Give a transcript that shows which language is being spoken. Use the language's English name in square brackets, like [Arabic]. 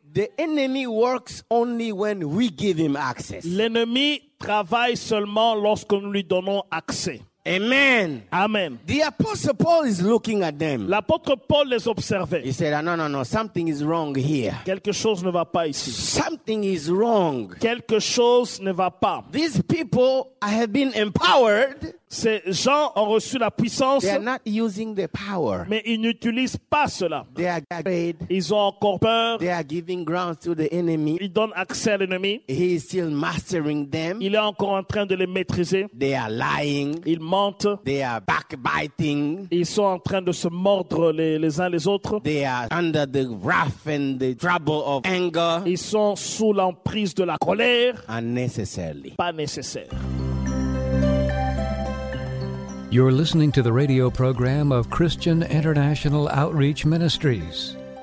[English] The enemy works only when we give him access. [French] L'ennemi travaille seulement lorsque nous lui donnons accès. Amen. Amen. [English] The apostle Paul is looking at them. [French] L'apôtre Paul les observait. [English] He said, no, something is wrong here. [French] Quelque chose ne va pas ici. [English] Something is wrong. [French] Quelque chose ne va pas. [English] These people have been empowered. [French] Ces gens ont reçu la puissance. [English] They are not using the power. [French] Mais ils n'utilisent pas cela. [English] They are afraid. [French] Ils ont encore peur. [English] They are giving ground to the enemy. [French] Ils donnent accès à l'ennemi. [English] He is still mastering them. [French] Il est encore en train de les maîtriser. [English] They are lying. [French] Ils mentent. [English] They are backbiting. [French] Ils sont en train de se mordre les uns les autres. [English] They are under the wrath and the trouble of anger. [French] Ils sont sous l'emprise de la colère. [English] Unnecessarily. [French] Pas nécessaire. [English] You're listening to the radio program of Christian International Outreach Ministries.